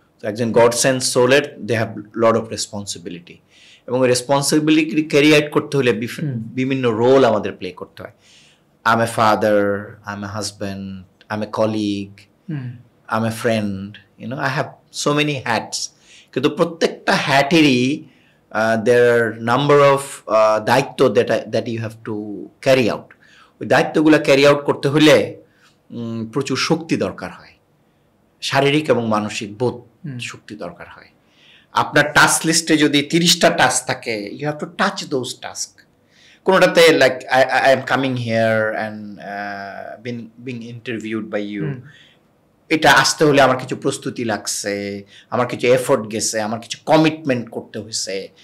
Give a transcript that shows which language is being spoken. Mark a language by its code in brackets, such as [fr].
[bn] একজন god Saint সোলের [en] they have lot of responsibility, [bn] এবং responsibility carry out করতে হলে বিভিন্ন রোল আমাদের প্লে করতে হয়। [en] I am a father, I am a husband, I am a colleague, I am a friend, you know I have so many hats. [bn] কিন্তু প্রত্যেকটা হ্যাটেরই [en] there are number of daitto that you have to carry out. [bn] ওই দায়িত্বগুলো carry out করতে হলে প্রচুর শক্তি দরকার হয়, শারীরিক এবং মানসিক বোধ শক্তি দরকার হয়। আপনার টাস্ক লিস্টে যদি 30টা টাস্ক থাকে, [en] You have to touch those task. [bn] কোনোটাতে like [en] I am coming here and being interviewed by you, [bn] এটা আসতে হলে আমার কিছু প্রস্তুতি লাগছে, আমার কিছু এফোর্ট গেছে, আমার কিছু কমিটমেন্ট করতে হয়েছে।